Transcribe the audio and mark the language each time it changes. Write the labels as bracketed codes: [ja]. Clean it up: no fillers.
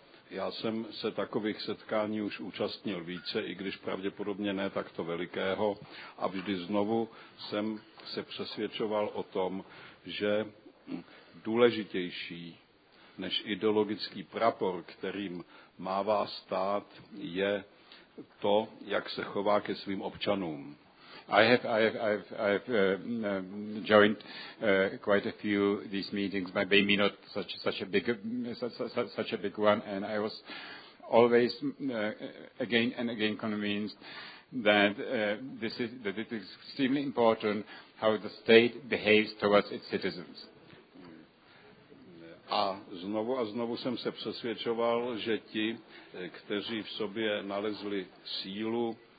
[cs] Já jsem se takových setkání už účastnil více, i když pravděpodobně ne takto velikého, a vždy znovu jsem se přesvědčoval o tom, že důležitější než ideologický prapor, kterým mává stát, je to, jak se chová ke svým občanům. [en] I have joined quite a few these meetings, maybe not such a big one, and I was always again and again convinced that it is extremely important how the state behaves towards its citizens. [cs] A znovu jsem se přesvědčoval, že ti, kteří v sobě nalezli sílu